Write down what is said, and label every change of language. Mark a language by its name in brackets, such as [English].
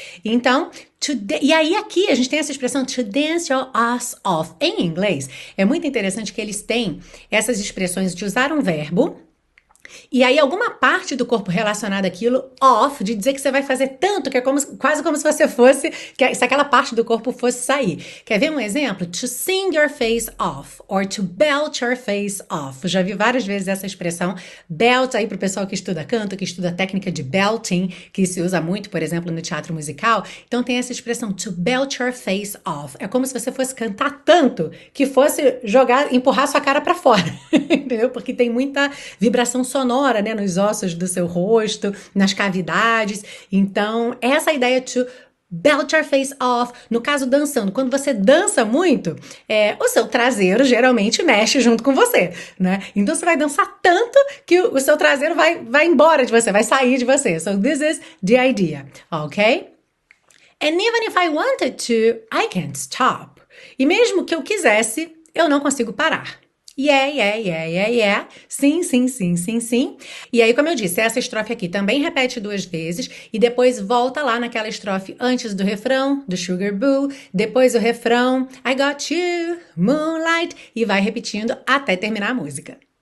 [Portuguese] Então, e aí aqui a gente tem essa expressão, [English] to dance your ass off, [Portuguese] em inglês. É muito interessante que eles têm essas expressões de usar um verbo, e aí alguma parte do corpo relacionada àquilo, off, de dizer que você vai fazer tanto, que é como, quase como se você fosse, que se aquela parte do corpo fosse sair. Quer ver um exemplo? [English] To sing your face off, or to belt your face off. [Portuguese] Já vi várias vezes essa expressão, belt, aí pro pessoal que estuda canto, que estuda técnica de belting, que se usa muito, por exemplo, no teatro musical. Então tem essa expressão, [English] to belt your face off. [Portuguese] É como se você fosse cantar tanto, que fosse jogar, empurrar sua cara pra fora, entendeu? Porque tem muita vibração sonora, né, nos ossos do seu rosto, nas cavidades. Então, essa ideia [English] to belt your face off, [Portuguese] no caso dançando, quando você dança muito, o seu traseiro geralmente mexe junto com você, né? Então você vai dançar tanto que o seu traseiro vai embora de você, vai sair de você. [English] So this is the idea, ok? And even if I wanted to, I can't stop. [Portuguese] E mesmo que eu quisesse, eu não consigo parar. Yeah, yeah, yeah, yeah, yeah. Sim, sim, sim, sim, sim. E aí, como eu disse, essa estrofe aqui também repete duas vezes e depois volta lá naquela estrofe antes do refrão, do Sugar Boo, depois o refrão, [English] I got you, moonlight, [Portuguese] e vai repetindo até terminar a música.